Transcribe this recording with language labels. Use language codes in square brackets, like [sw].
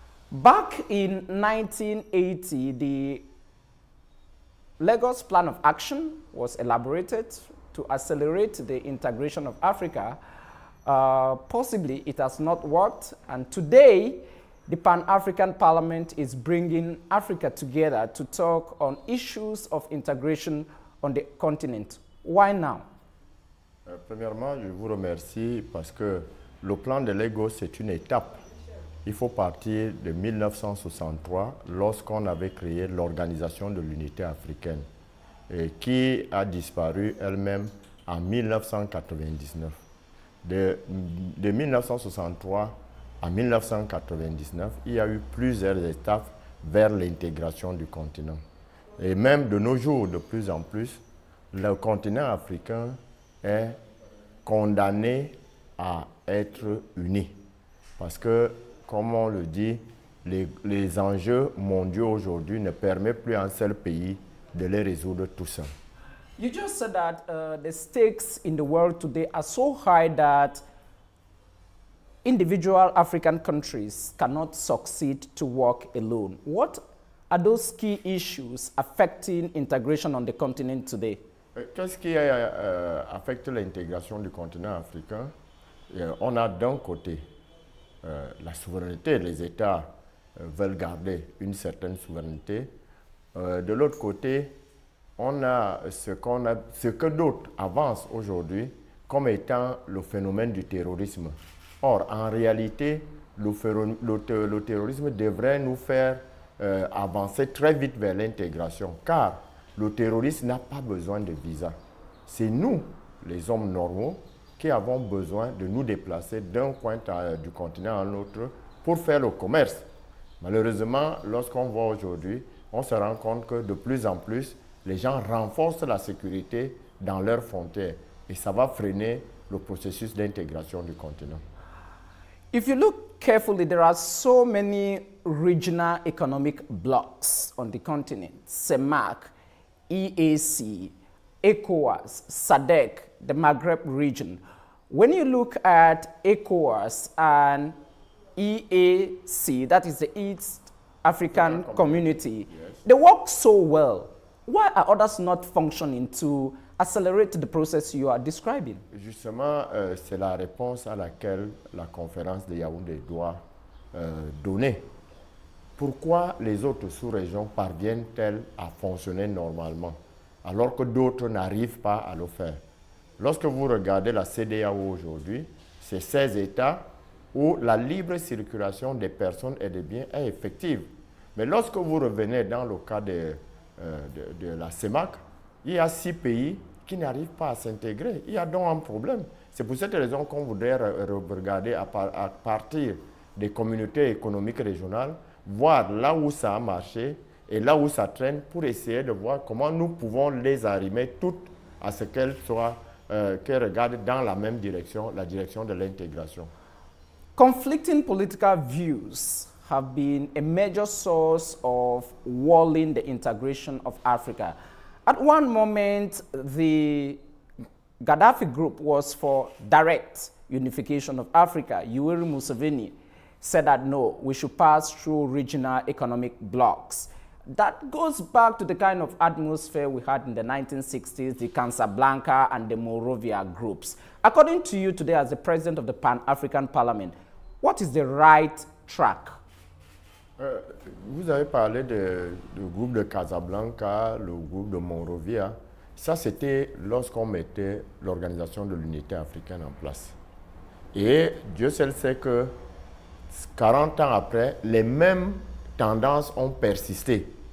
[en] Back in 1980, the Lagos Plan of Action was elaborated to accelerate the integration of Africa. Possibly it has not worked. And today, the Pan-African Parliament is bringing Africa together to talk on issues of integration on the continent. Why now? [fr] Premièrement, je vous remercie parce que le plan de Lagos est une étape. Il faut partir de 1963, lorsqu'on avait créé l'Organisation de l'Unité Africaine, et qui a disparu elle-même en 1999. De 1963 à 1999, il y a eu plusieurs étapes vers l'intégration du continent. Et même de nos jours, de plus en plus, le continent africain est condamné à être uni. Parce que, comme on le dit, les enjeux mondiaux aujourd'hui ne permettent plus à un seul pays de les résoudre tout seul. [en] You just said that the stakes in the world today are so high that individual African countries cannot succeed to work alone. What are those key issues affecting integration on the continent today? [fr] Qu'est-ce qui affecte l'intégration du continent africain? On a d'un côté la souveraineté, les États veulent garder une certaine souveraineté. De l'autre côté, on a ce que d'autres avancent aujourd'hui comme étant le phénomène du terrorisme. Or, en réalité, le terrorisme devrait nous faire avancer très vite vers l'intégration, car le terroriste n'a pas besoin de visa. C'est nous, les hommes normaux, qui avons besoin de nous déplacer d'un coin du continent à l'autre pour faire le commerce. Malheureusement, lorsqu'on voit aujourd'hui, on se rend compte que de plus en plus, les gens renforcent la sécurité dans leurs frontières et ça va freiner le processus d'intégration du continent. [en] If you look carefully, there are so many regional economic blocks on the continent. CEMAC, EAC, ECOWAS, SADC, the Maghreb region. When you look at ECOWAS and EAC, that is the East African Community, yes, they work so well. Why are others not functioning to accelerate the process you are describing? [fr] Justement, c'est la réponse à laquelle la conférence de Yaoundé doit donner. Pourquoi les autres sous-régions parviennent-elles à fonctionner normalement alors que d'autres n'arrivent pas à le faire? Lorsque vous regardez la CEDEAO aujourd'hui, c'est 16 États où la libre circulation des personnes et des biens est effective. Mais lorsque vous revenez dans le cas de la CEMAC, il y a 6 pays qui n'arrivent pas à s'intégrer. Il y a donc un problème. C'est pour cette raison qu'on voudrait regarder à partir des communautés économiques régionales, voir là où ça a marché et là où ça traîne pour essayer de voir comment nous pouvons les arrimer toutes à ce qu'elles soient qui regardent dans la même direction, la direction de l'intégration. [en] Conflicting political views have been a major source of walling the integration of Africa. At one moment, the Gaddafi group was for direct unification of Africa. Yoweri Museveni said that no, we should pass through regional economic blocks. That goes back to the kind of atmosphere we had in the 1960s, the Casablanca and the Monrovia groups. According to you today, as the president of the Pan-African Parliament, what is the right track? [fr] Vous avez parlé du groupe de Casablanca, le groupe de Monrovia. Ça, c'était lorsqu'on mettait l'organisation de l'unité africaine en place. Et Dieu seul sait que 40 ans après, les mêmes tendances ont persisté.